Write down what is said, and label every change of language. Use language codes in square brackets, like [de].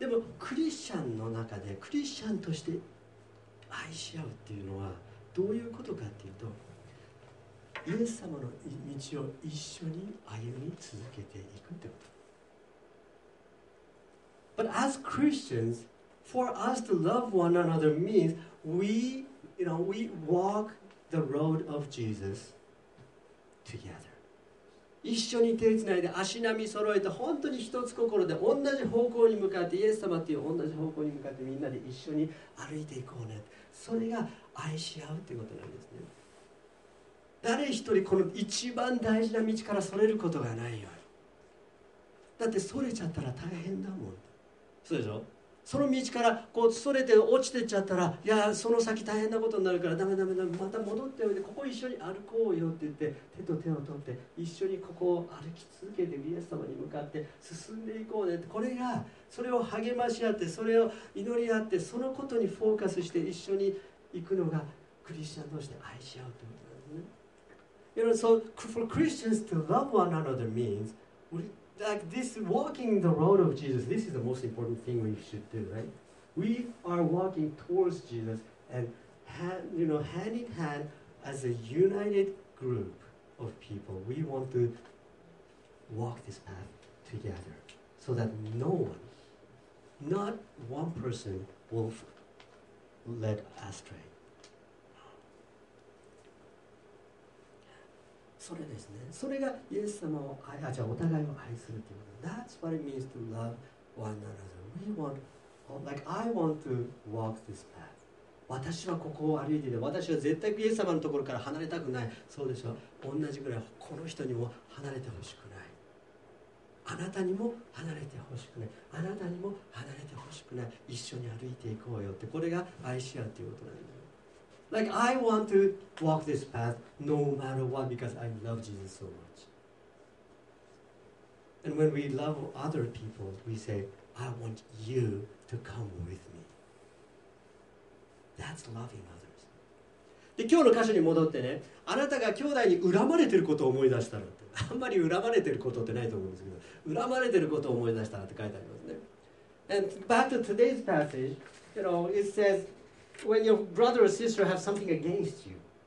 [ja] でもクリスチャンの中でクリスチャンとして愛し合うっていうのはどういうことかっていうと、イエス様の道を一緒に歩み続けていくってこと。 [en] But as Christians, for us to love one another means we walk the road of Jesus together. [ja] 一緒に手つないで足並み揃えて本当に一つ心で同じ方向に向かって、イエス様っていう同じ方向に向かってみんなで一緒に歩いていこうね。それが愛し合うということなんですね。誰一人この一番大事な道からそれることがないよ。だってそれちゃったら大変だもん。そうでしょ。その道からこうそれて落ちてっちゃったら、いやその先大変なことになるから、ダメダメダメ、また戻っておいで、ここ一緒に歩こうよって言って、手と手を取って一緒にここを歩き続けて、イエス様に向かって進んでいこうねって、これがそれを励まし合って、それを祈り合って、そのことにフォーカスして一緒に行くのがクリスチャン同士で愛し合うということなんですね。 [en] You know, so for Christians to love one another means like this, walking the road of Jesus, this is the most important thing we should do, right? We are walking towards Jesus and hand in hand as a united group of people. We want to walk this path together so that no one, not one person will led astray. [ja] それですね。それがイエス様を愛、あ、じゃあお互いを愛するということ。 [en] That's what it means to love one another. We want, like I want to walk this path. [ja] 私はここを歩いていて、私は絶対イエス様のところから離れたくない。そうでしょう。同じぐらいこの人にも離れてほしくない、あなたにも離れてほしくない、あなたにも離れてほしくない、一緒に歩いていこうよって、これが愛し合うということなんです。 [en] Like, I want to walk this path no matter what because I love Jesus so much. And when we love other people, we say, I want you to come with me. That's loving others. [ja] で、今日の箇所に戻ってね、あなたが兄弟に恨まれてることを思い出したらって、あんまり恨まれてることってないと思うんですけど、恨まれてることを思い出したらって書いてありますね。 [en] And back to today's passage, you know, it says,When your brother or sister have something against you.